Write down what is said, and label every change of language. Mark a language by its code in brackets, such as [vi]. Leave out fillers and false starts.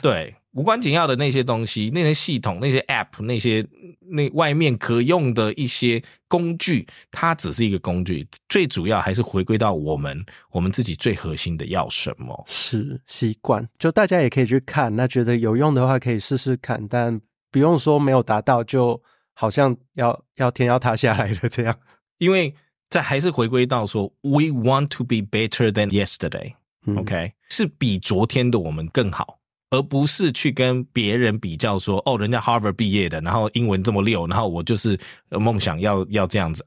[zh] 对，无关紧要的那些东西，那些系统，那些 app， 那些那外面可用的一些工具，它只是一个工具，最主要还是回归到我们自己最核心的要什么，是习惯，就大家也可以去看，那觉得有用的话可以试试看，但不用说没有达到就好像要天要塌下来了这样，因为这还是回归到说 [en] we want to be better than yesterday。 [zh] OK， 是比昨天的我们更好，而不是去跟别人比较说，哦，人家 Harvard 毕业的，然后英文这么溜，然后我就是梦想要这样子。